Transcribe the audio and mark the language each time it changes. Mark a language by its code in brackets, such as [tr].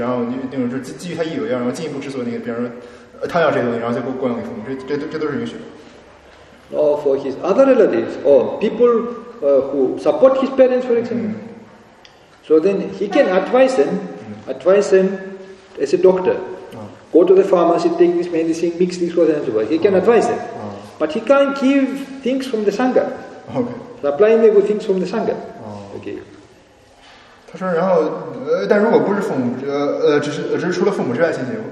[zh] 所以就是说，比库对自己的父母的话，他如果自己没有这个药的话，他可以直接给父母。然后他如果是自己没有药，他可以从库房里面拿，他从库房里面拿，然后给父母也允许的。如果说就是说，他就是父母这个病，就是说不能不光不只是需要现成，不只是需要这种现成药，还需要各种药混合在一起，然后进一步制作哈，比库也可以用自己的知识，然后用就是基于他已有药，然后进一步制作那个，比方说。 [en] Now for his other relatives or people who support his parents, for example, so then he can advise them as a doctor, go to the pharmacy, take this medicine, mix this with and so forth. He can advise them, but he can't give things from the Sangha. Okay. Supplying them with things from the Sangha. Okay. [zh] 他说，然后，但如果不是父母，只是除了父母之外亲戚。